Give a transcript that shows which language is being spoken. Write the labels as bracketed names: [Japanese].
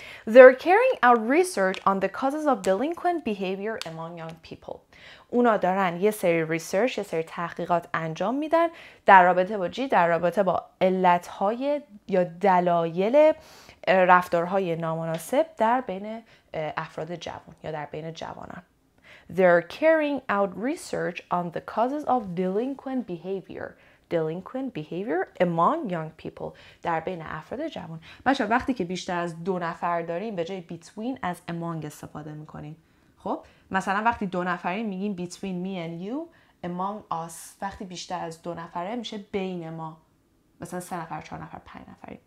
[English] They're carrying out research on the causes of delinquent behavior among young people. [Persian] اونا دارن یه سری ریسرچ، یه سری تحقیقات انجام میدن در رابطه با چی؟ در رابطه با علتهای یا دلایل رفتارهای نامناسب در بین افراد جوان یا در بین جوانان. [English] They're carrying out research on the causes of delinquent behavior. Delinquent behavior among young people. [Persian] در بین افراد جوان. بچه وقتی که بیشتر از دو نفر داریم به جای between از among استفاده میکنیم. خب مثلا وقتی دو نفری میگیم [English] between me and you, among us. [Persian] وقتی بیشتر از دو نفره میشه بین ما. مثلا سه نفر، چهار نفر، پنج نفری.